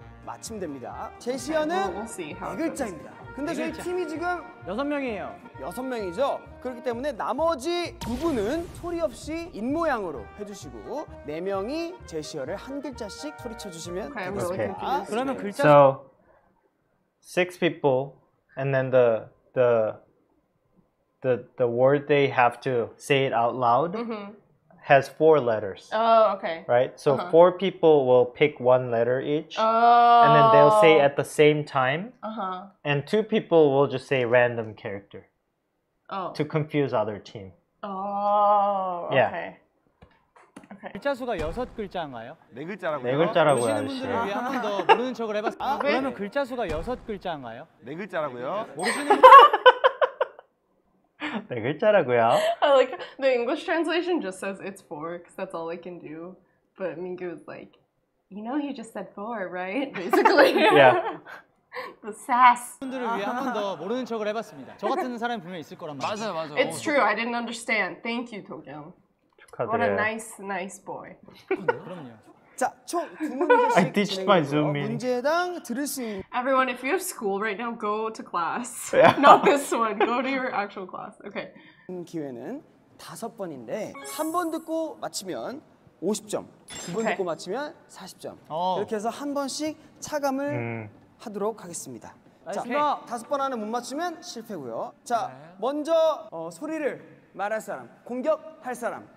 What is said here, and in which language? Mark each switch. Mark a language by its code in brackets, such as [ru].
[ko] 마침됩니다. 제 시야는 네 글자입니다. 근데 저희 팀이 지금 6명이에요. 6명이죠? 그렇기 때문에 나머지 두 분은 소리 없이 입모양으로 해주시고 네 명이 제시어를 한 글자씩 소리쳐주시면 되겠습니다. 그러면 글자... [en] So, six people and then the word they have to say it out loud has four letters. Oh, okay. Right? So uh-huh. four people will pick one letter each. Oh. And then they'll say at the same time. Uh-huh. And two people will just say random character. Oh. To confuse other team. Oh, yeah. okay. [ko] 글자 수가 여섯 글자인가요? 네 글자라고요. 네 글자라고요. 보시는 분들을 위해 한 번 더 모르는 척을 해봤어요. 아, 그러면 네. 글자 수가 여섯 글자인가요? 네 글자라고요. 보시는 네 글자라고요. [en] I like the English translation just says it's four because that's all I can do. But Mingyu was like, you know, he just said four, right? Basically. yeah. the sass. [ko] 분들을 위해 한 번 더 모르는 척을 해봤습니다. 저 같은 사람이 분명 있을 거란 말이에요. 맞아요, 맞아요. [en] It's true. I didn't understand. Thank you, 도겸. [ko] 축하드려요. [en] What a nice, nice boy. [ko] 그럼요. 자, 총 두 문제씩 진행해 주세요. 문제당 들을 수 있는... [en] Everyone, if you have school right now, go to class. Yeah. Not this one. Go to your actual class. Okay. [ko] 기회는 다섯 번인데 한 번 듣고 맞히면 50점, 두 번 okay. 듣고 맞히면 40점. Oh. 이렇게 해서 한 번씩 차감을 하도록 하겠습니다. 자, [en] okay. [ko] 다섯 번 안에 못 맞추면 실패고요. 자, 먼저 소리를... 말할 사람, 공격할 사람